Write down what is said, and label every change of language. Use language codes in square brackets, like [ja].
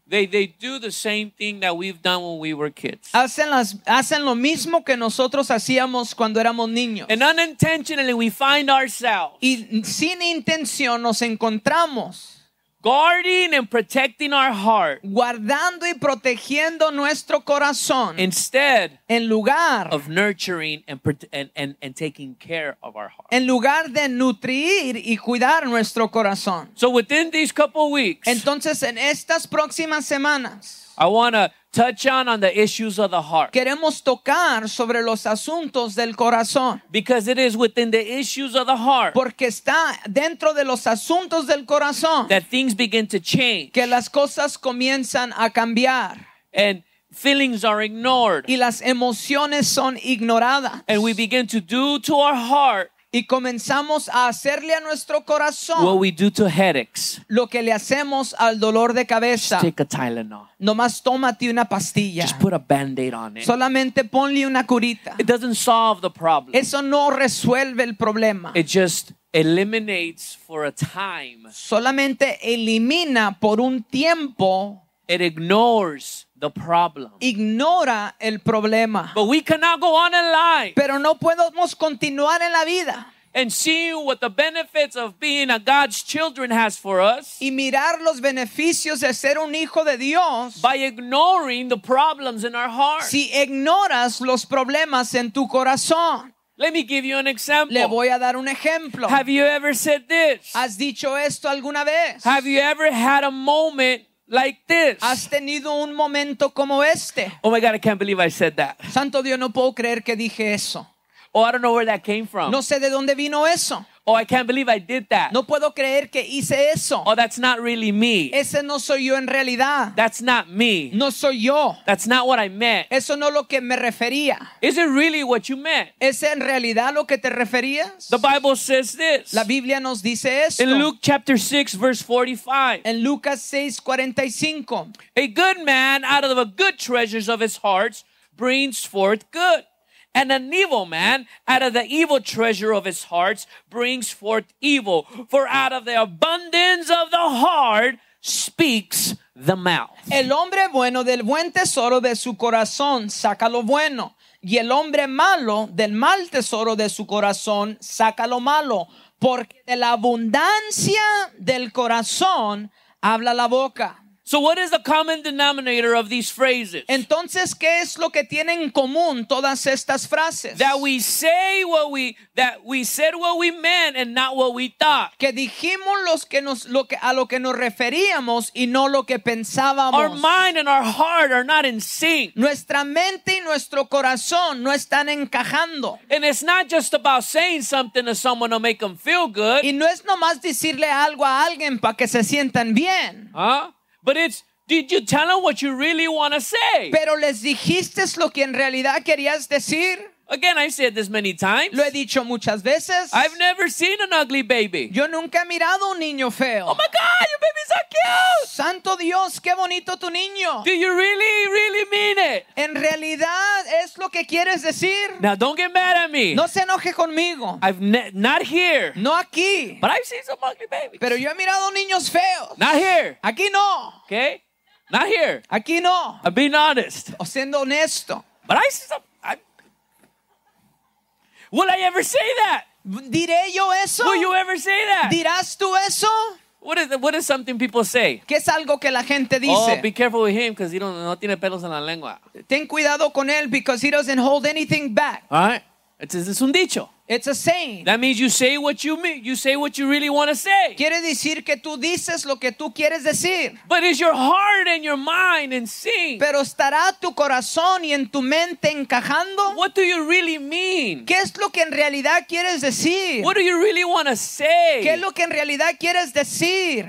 [en] They do the same thing that we've done when we were kids. [es] Hacen lo mismo que nosotros hacíamos cuando éramos niños. [en] And unintentionally we find ourselves. [es] Y sin intención nos encontramos. [en] Guarding and protecting our heart. [es] Guardando y protegiendo nuestro corazón. [en] Instead. [es] En lugar. [en] Of nurturing and taking care of our heart. [es] En lugar de nutrir y cuidar nuestro corazón. [en] So within these couple weeks. [es] Entonces en estas próximas semanas. [en] I want to touch on the issues of the heart. [es] Queremos tocar sobre los asuntos del corazón. [en] Because it is within the issues of the heart. [es] Porque está dentro de los asuntos del corazón. [en] That things begin to change. [es] Que las cosas comienzan a cambiar. [en] And feelings are ignored. [es] Y las emociones son ignoradas. [en] And we begin to do to our heart. [es] Y comenzamos a hacerle a nuestro corazón [en] what we do to headaches. [es] Lo que le hacemos al dolor de cabeza. [en] Just take a Tylenol. [es] Nomás tómate una pastilla. [en] Just put a Band-Aid on it. [es] Solamente ponle una curita. [en] It doesn't solve the problem. [es] Eso no resuelve el problema. [en] It just eliminates for a time. [es] Solamente elimina por un tiempo. [en] It ignores the problem. [es] Ignora el problema. [en] But we cannot go on in life. [es] Pero no podemos continuar en la vida. [en] And see what the benefits of being a God's children has for us. [es] Y mirar los beneficios de ser un hijo de Dios. [en] By ignoring the problems in our heart. [es] Si ignoras los problemas en tu corazón. [en] Let me give you an example. [es] Le voy a dar un ejemplo. [en] Have you ever said this? [es] ¿Has dicho esto alguna vez? [en] Have you ever had a moment like this? [es] ¿Has tenido un momento como este? [en] Oh my God, I can't believe I said that. [es] Santo Dios, no puedo creer que dije eso. [en] Oh, I don't know where that came from. [es] No sé de dónde vino eso. [en] Oh, I can't believe I did that. [es] No puedo creer que hice eso. [en] Oh, that's not really me. [es] Ese no soy yo en realidad. [en] That's not me. [es] No soy yo. [en] That's not what I meant. [es] Eso no lo que me refería. [en] Is it really what you meant? [es] ¿Es en realidad lo que te referías? [en] The Bible says this. [es] La Biblia nos dice esto. [en] In Luke chapter 6 verse 45. [es] En Lucas 6:45. [en] A good man out of the good treasures of his heart brings forth good. And an evil man, out of the evil treasure of his heart, brings forth evil. For out of the abundance of the heart speaks the mouth. [es] El hombre bueno del buen tesoro de su corazón saca lo bueno. Y el hombre malo del mal tesoro de su corazón saca lo malo. Porque de la abundancia del corazón habla la boca. [en] So what is the common denominator of these phrases? [es] Entonces, ¿qué es lo que tienen en común todas estas frases? [en] That we said what we meant and not what we thought. [es] Que dijimos lo que nos referíamos y no lo que pensábamos. [en] Our mind and our heart are not in sync. [es] Nuestra mente y nuestro corazón no están encajando. [en] And it's not just about saying something to someone to make them feel good. [es] Y no es nomás decirle algo a alguien para que se sientan bien. ¿Ah? [en] But it's, did you tell them what you really want to say? [es] Pero les dijiste lo que en realidad querías decir. [en] Again, I've said this many times. [es] Lo he dicho muchas veces. [en] I've never seen an ugly baby. [es] Yo nunca he mirado un niño feo. [en] Oh my God, your baby's so cute. [es] Santo Dios, qué bonito tu niño. [en] Do you really, really mean mean it. [es] En realidad es lo que quieres decir. [en] Now don't get mad at me. [es] No se enoje conmigo. [en] Not here. [es] No aquí. [en] But I've seen some ugly babies. [es] Pero yo he mirado niños feos. [en] Not here. [es] Aquí no. [en] Okay? Not here. [es] Aquí no. [en] I'm being honest. [es] O siendo honesto. [en] But I see some. Will I ever say that? [es] ¿Diré yo eso? [en] Will you ever say that? [es] ¿Dirás tú eso? [en] What is something people say? [es] ¿Qué es algo que la gente dice? [en] Oh, be careful with him because [es] no tiene pelos en la lengua. Ten cuidado con él [en] because he doesn't hold anything back. All right. It's [es] un dicho. [en] It's a saying. That means you say what you mean. You say what you really want to say. [es] Quiere decir que tú dices lo que tú quieres decir. [en] But is your heart and your mind in sync? [es] Pero estará tu corazón y en tu mente encajando. [en] What do you really mean? [es] ¿Qué es lo que en realidad quieres decir? [en] What do you really want to say? [es] ¿Qué es lo que en realidad quieres decir?